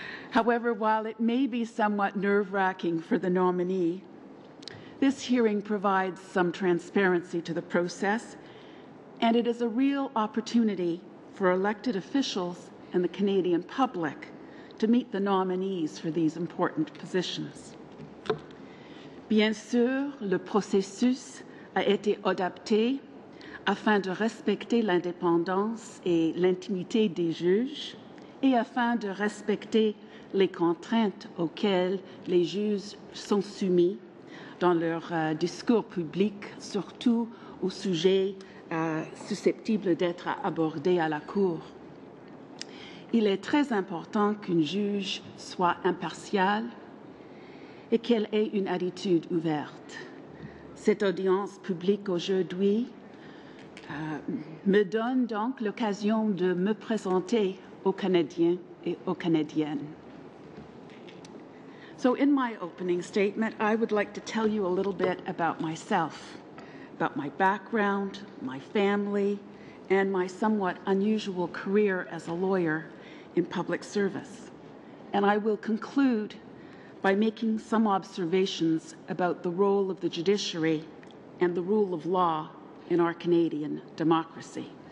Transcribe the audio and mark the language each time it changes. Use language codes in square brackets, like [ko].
[en] However, while it may be somewhat nerve-wracking for the nominee, this hearing provides some transparency to the process, and it is a real opportunity for elected officials and the Canadian public to meet the nominees for these important positions. [fr] Bien sûr, le processus a été adapté afin de respecter l'indépendance et l'intimité des juges et afin de respecter les contraintes auxquelles les juges sont soumis dans leur discours public, surtout au sujet susceptible d'être abordé à la Cour. Il est très important qu'une juge soit impartiale et qu'elle ait une attitude ouverte. Cette audience publique aujourd'hui me donne donc l'occasion de me présenter aux Canadiens et aux Canadiennes. [en] So in my opening statement, I would like to tell you a little bit about myself, about my background, my family, and my somewhat unusual career as a lawyer in public service. And I will conclude by making some observations about the role of the judiciary and the rule of law in our Canadian democracy.